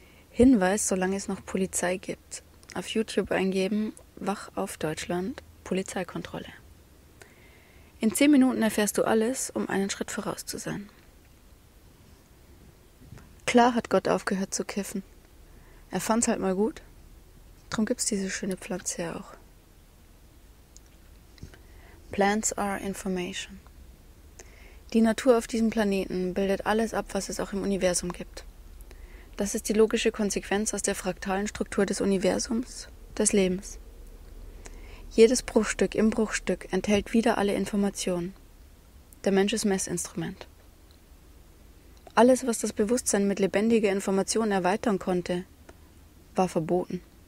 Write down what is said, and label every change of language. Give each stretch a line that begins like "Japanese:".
German: Hinweis, solange es noch Polizei gibt. Auf YouTube eingeben, wach auf Deutschland, Polizeikontrolle. In 10 Minuten erfährst du alles, um einen Schritt voraus zu sein. Klar hat Gott aufgehört zu kiffen. Er fand's halt mal gut. Drum gibt's diese schöne Pflanze ja auch.
English: Plants are information.
German: Die Natur auf diesem Planeten bildet alles ab, was es auch im Universum gibt. Das ist die logische Konsequenz aus der fraktalen Struktur des Universums, des Lebens. Jedes Bruchstück im Bruchstück enthält wieder alle Informationen. Der Mensch ist Messinstrument. Alles, was das Bewusstsein mit lebendiger Information erweitern konnte, war verboten.